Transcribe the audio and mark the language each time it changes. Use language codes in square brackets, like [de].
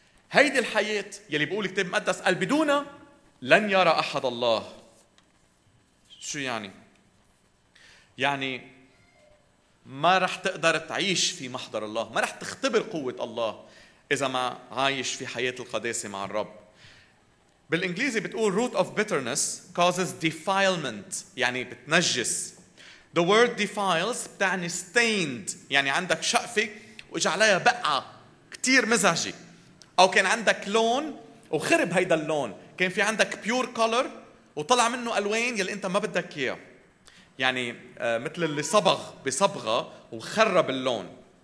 [ar] هيدي الحياة يلي بيقول الكتاب المقدس قال بدون لن يرى أحد الله. شو يعني؟ يعني ما رح تقدر تعيش في محضر الله، ما رح تختبر قوة الله إذا ما عايش في حياة القداسة مع الرب. بالإنجليزي بتقول [en] root of bitterness causes defilement، [ar] يعني بتنجس. [en] The word defiles [ar] بتعني stained، يعني عندك شقفة واجي عليها بقعة كتير مزعجة، أو كان عندك لون وخرب هيدا اللون، كان في عندك [en] pure color [ar] وطلع منه ألوان يلي أنت ما بدك إياه، يعني مثل اللي صبغ بصبغة وخرب اللون.